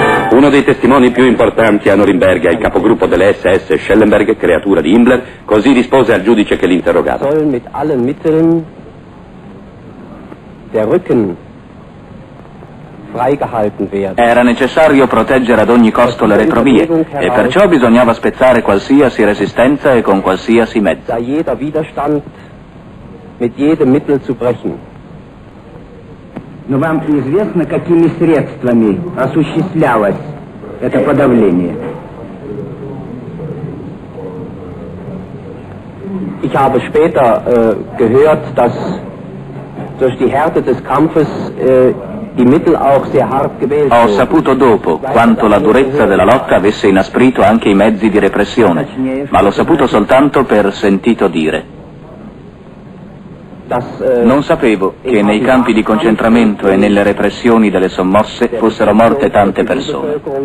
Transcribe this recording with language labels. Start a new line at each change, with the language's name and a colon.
Italian: Uno dei testimoni più importanti a Norimberga, il capogruppo delle SS Schellenberg, creatura di Himmler, così rispose al giudice che l'interrogava.
German: Sollen mit allen Mitteln der Rücken freigehalten werden.
Italian: Era necessario proteggere ad ogni costo le retrovie e perciò bisognava spezzare qualsiasi resistenza e con qualsiasi mezzo.
German: Da jeder Widerstand mit jedem Mittel zu brechen.
Russian: Но вам известно, какими средствами осуществлялось это подавление.
German: Ich habe später gehört, dass durch die Härte des Kampfes die Mittel auch sehr hart gewählt wurden.
Italian: Ho saputo dopo quanto la durezza della lotta avesse inasprito anche i mezzi di repressione, ma l'ho saputo soltanto per sentito dire. Non sapevo che nei campi di concentramento e nelle repressioni delle sommosse fossero morte tante persone.